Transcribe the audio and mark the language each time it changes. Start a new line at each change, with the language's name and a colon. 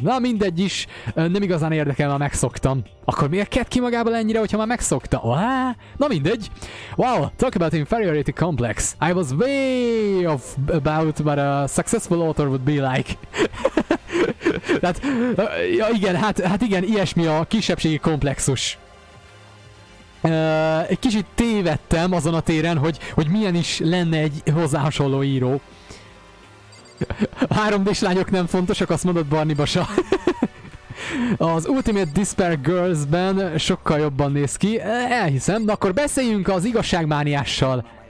Hungarian: Na, mindegy is, nem igazán érdekel, már megszoktam. Akkor miért kett ki magából ennyire, hogyha már megszokta? Na, mindegy.
English: Wow, talk about inferiority complex. I was way off about what a successful author would be like.
Hungarian: Tehát, ja, igen, hát igen, ilyesmi a kisebbségi komplexus. Egy kicsit tévedtem azon a téren, hogy milyen is lenne egy hozzá hasonló író. 3D-s lányok nem fontosak, azt mondott Barni Basa. Az Ultimate Despair Girls-ben sokkal jobban néz ki, elhiszem. Na akkor beszéljünk az igazságmániással.